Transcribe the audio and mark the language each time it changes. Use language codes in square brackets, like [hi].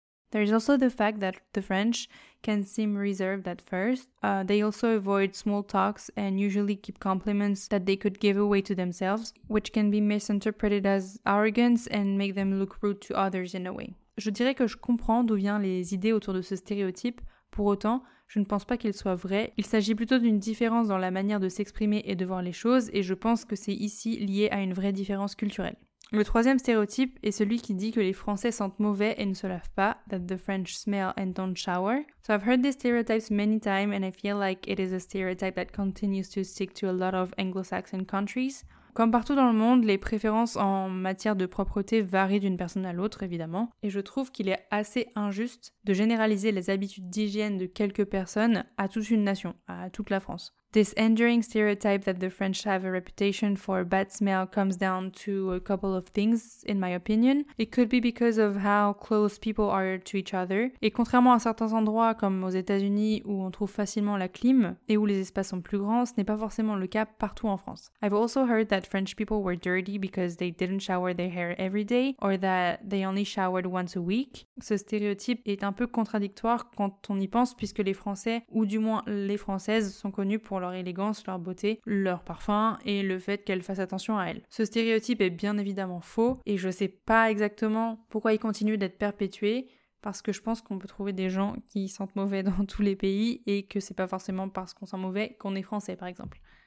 [en] There is also the fact that the French can seem reserved at first. They also avoid small talks and usually keep compliments that they could give away to themselves, which can be misinterpreted as arrogance and make them look rude to others in a way. [fr] Je dirais que je comprends d'où viennent les idées autour de ce stéréotype. Pour autant, je ne pense pas qu'il soit vrai. Il s'agit plutôt d'une différence dans la manière de s'exprimer et de voir les choses, et je pense que c'est ici lié à une vraie différence culturelle. Le troisième stéréotype est celui qui dit que les Français sentent mauvais et ne se lavent pas, [en] that the French smell and don't shower. So I've heard these stereotypes many times and I feel like it is a stereotype that continues to stick to a lot of Anglo-Saxon countries. [fr] Comme partout dans le monde, les préférences en matière de propreté varient d'une personne à l'autre, évidemment. Et je trouve qu'il est assez injuste de généraliser les habitudes d'hygiène de quelques personnes à toute une nation, à toute la France. [en] This enduring stereotype that the French have a reputation for bad smell comes down to a couple of things, in my opinion. It could be because of how close people are to each other. [fr] Et contrairement à certains endroits comme aux États-Unis où on trouve facilement la clim et où les espaces sont plus grands, ce n'est pas forcément le cas partout en France. [en] I've also heard that French people were dirty because they didn't shower their hair every day or that they only showered once a week. [fr] Ce stéréotype est un peu contradictoire quand on y pense puisque les Français, ou du moins les Françaises, sont connus pour leur élégance, leur beauté, leur parfum et le fait qu'elles fassent attention à elles. Ce stéréotype est bien évidemment faux et je sais pas exactement pourquoi il continue d'être perpétué parce que je pense qu'on peut trouver des gens qui sentent mauvais dans tous les pays et que c'est pas forcément parce qu'on sent mauvais qu'on est français par exemple.